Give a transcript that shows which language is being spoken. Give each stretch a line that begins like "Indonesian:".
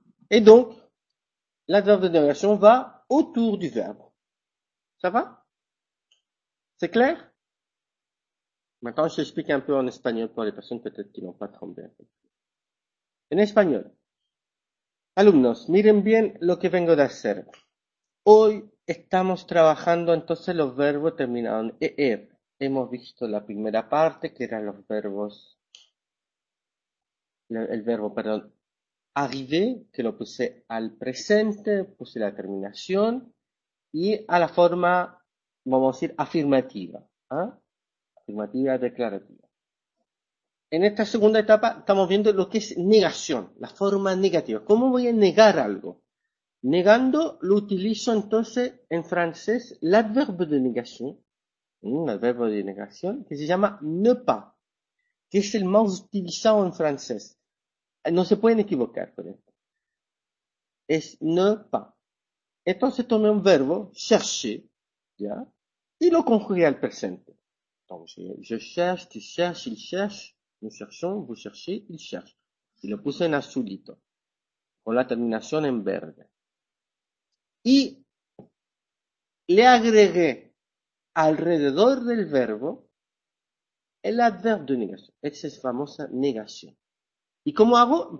French: Et donc, l'adverbe de négation va autour du verbe. Ça va? C'est clair? Maintenant, je t'explique un peu en espagnol pour les personnes peut-être qui n'ont pas trop bien compris. En espagnol.
Spanish: Alumnos, miren bien lo que vengo de hacer. Hoy estamos trabajando entonces los verbos terminados en er. Hemos visto la primera parte que eran los verbos, el verbo, perdón, arriver, que lo puse al presente, puse la terminación y a la forma, vamos a decir, afirmativa, ¿eh? Afirmativa declarativa. En esta segunda etapa estamos viendo lo que es negación, la forma negativa. ¿Cómo voy a negar algo? Negando lo utilizo entonces en francés, l'adverbe de negación. Un adverbio de negación que se llama ne pas, que es el más utilizado en francés. No se pueden equivocar, por ejemplo. Es ne pas. Entonces tomé un verbo, chercher, ¿ya? Y lo conjugué al presente. Entonces,
French: je cherche, tu cherches, il cherche, nous cherchons, vous cherchez, il cherche.
Spanish: Y lo puse en azulito, con la terminación en verde. Y le agregué alrededor del verbo, el adverbio de negación. Esa es famosa negación. ¿Y cómo hago?